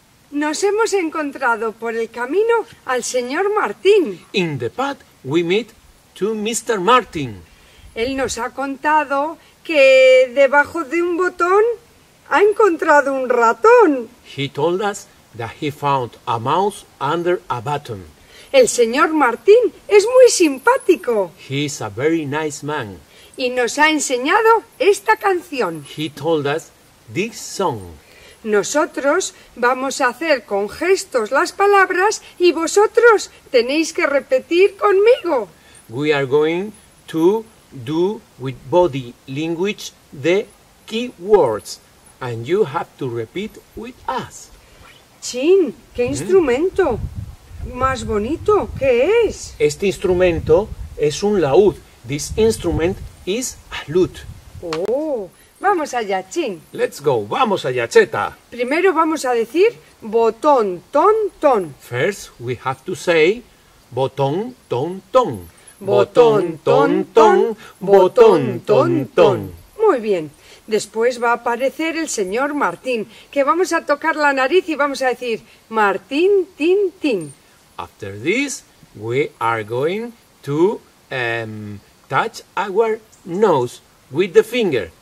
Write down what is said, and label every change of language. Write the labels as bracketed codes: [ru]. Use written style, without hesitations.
[es] Nos hemos encontrado por el camino al señor Martín. [en] In the path we meet to Mr. Martin. [es] Él nos ha contado que debajo de un botón ha encontrado un ratón. [en] He told us that he found a mouse under a button. [es] El señor Martín es muy simpático. [en] He is a very nice man. [es] Y nos ha enseñado esta canción. [en] He told us this song. [es] Nosotros vamos a hacer con gestos las palabras y vosotros tenéis que repetir conmigo. [en] We are going to do with body language the key words and you have to repeat with us. [es] Chin, ¿qué instrumento más bonito? ¿Qué es? Este instrumento es un laúd. [en] This instrument is a lute. [es] Oh. Vamos allá, Chin. [en] Let's go. [es] Vamos allá, [en] Cheta. [es] Primero vamos a decir botón, ton, ton. [en] First we have to say [es] botón, ton, ton. Botón, ton, ton. Botón, ton, ton. Muy bien. Después va a aparecer el señor Martín, que vamos a tocar la nariz y vamos a decir Martín, tin, tin. [en] After this we are going to touch our nose with the finger.